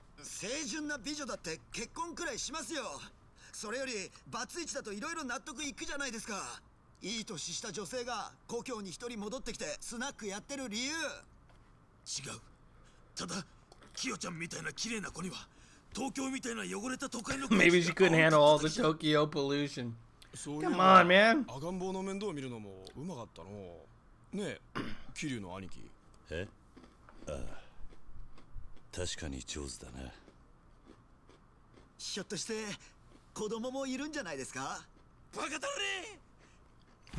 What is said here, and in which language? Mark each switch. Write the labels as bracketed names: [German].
[Japanese] 清純な美女だって結婚くらいしますよ。それよりバツイチだといろいろ納得いくじゃないですか。いい年した女性が故郷に一人戻ってきてスナックやってる理由。違う。ただキヨちゃんみたいな綺麗な子には東京みたいな汚れた都会の [English] Maybe she couldn't handle all the Tokyo pollution. Come on, man. [Japanese] 赤ん坊の面倒を見るのもうまかったの。ねえ、キリュウの兄貴。え？ああ、確かに上手だな。ひょっとして子供もいるんじゃないですか？バカだれ！